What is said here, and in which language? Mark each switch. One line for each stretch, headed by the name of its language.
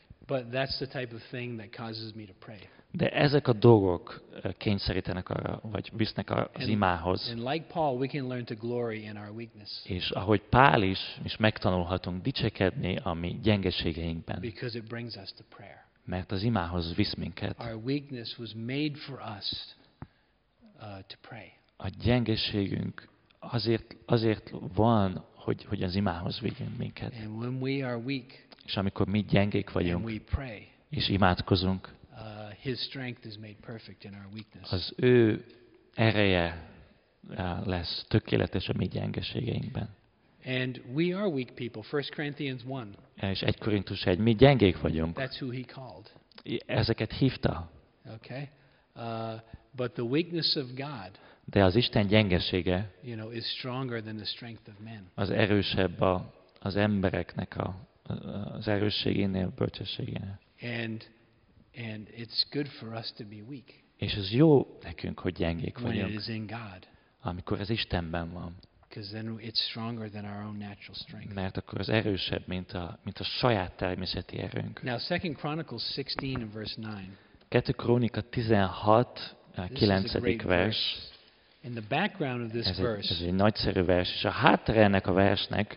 English: But that's the type of thing that causes me to pray.
Hungarian: De ezek a dolgok kényszerítenek arra, vagy visznek az imához.
English: And like Paul, we can learn to glory in our weakness.
Hungarian: És ahogy Pál is, megtanulhatunk dicsekedni a mi gyengeségeinkben.
English: Because it brings us to prayer.
Hungarian: mert az imához visz minket.
English: Our weakness was made for us to pray.
Hungarian: A gyengeségünk azért van, hogy az imához vigyünk minket.
English: And when we are weak,
Hungarian: és amikor mi gyengék vagyunk,
English: and we pray,
Hungarian: és imádkozunk,
English: his strength is made perfect in our weakness.
Hungarian: Az ő ereje lesz tökéletes a mi gyengeségeinkben.
English: And we are weak people, 1 Corinthians 1.
Hungarian: És 1 Korintus 1, mi gyengék vagyunk.
English: That's who he called.
Hungarian: Ezeket hívta.
English: Okay. But the weakness of God,
Hungarian: de az Isten gyengesége,
English: you know, is stronger than the strength of men.
Hungarian: Az erősebb az embereknek az erősségénél, bölcsességénél.
English: And it's good for us to be weak.
Hungarian: És ez jó nekünk, hogy gyengék vagyunk.
English: When it is in God.
Hungarian: Amikor ez Istenben van.
English: Because then it's stronger than our own natural strength.
Hungarian: Mert akkor az erősebb, mint a saját természeti erőnk.
English: Now 2 Chronicles 16 and verse 9.
Hungarian: 2 Krónika 16, 9. vers.
English: In the background of this verse.
Hungarian: Ez egy nagyszerű vers, és a háttere ennek a versnek.